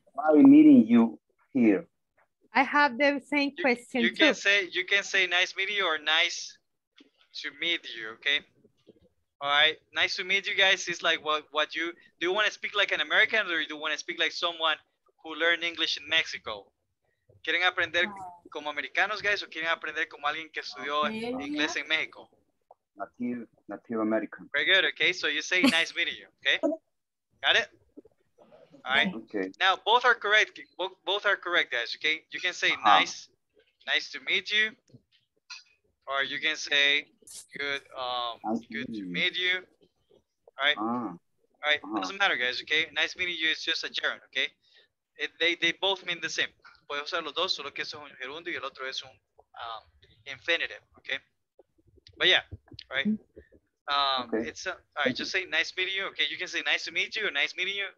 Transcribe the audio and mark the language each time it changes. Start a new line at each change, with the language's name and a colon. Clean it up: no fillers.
English: Why meeting you here? I have the same question. You can say nice meeting you or nice to meet you, okay? All right, nice to meet you guys. It's like what you, do you want to speak like an American or do you want to speak like someone who learned English in Mexico?
Spanish: ¿Quieren aprender como americanos, guys, o quieren aprender como alguien que estudió inglés en México?
English: Native American. Very good, okay, so you say nice meeting you, okay? Got it? All right. Okay. Now, both are correct. Both are correct, guys, okay? You can say nice to meet you, or you can say good to meet you. All right? All right, uh-huh. Doesn't matter, guys, okay? Nice meeting you is just a gerund, okay? They both mean the same.
Spanish: Puedes usar los dos, solo que eso es un gerundio y el otro es un infinitive, okay?
English: But yeah, right? Okay. It's all right, just say nice meeting you, okay? You can say nice to meet you, nice meeting you.